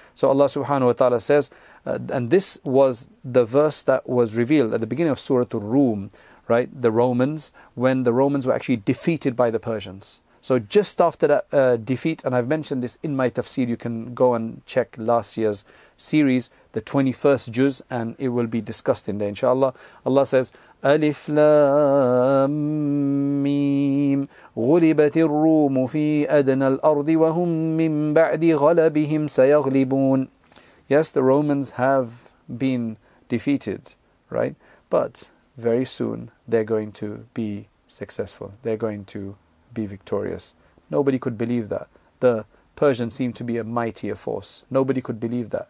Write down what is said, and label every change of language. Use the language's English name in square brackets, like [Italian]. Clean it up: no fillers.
[English] So Allah subhanahu wa ta'ala says, and this was the verse that was revealed at the beginning of Surah Ar-Rum, right? The Romans, when the Romans were actually defeated by the Persians. So just after that defeat, and I've mentioned this in my tafsir, you can go and check last year's series, the 21st Juz, and it will be discussed in there, inshallah. Allah says, [Arabic] Alif Lam Mim, غلبت الروم في أدنى الأرض وهم من بعد غلبهم سيغلبون. [English] Yes, the Romans have been defeated, right? But very soon they're going to be successful. They're going to be victorious. Nobody could believe that. The Persians seemed to be a mightier force. Nobody could believe that.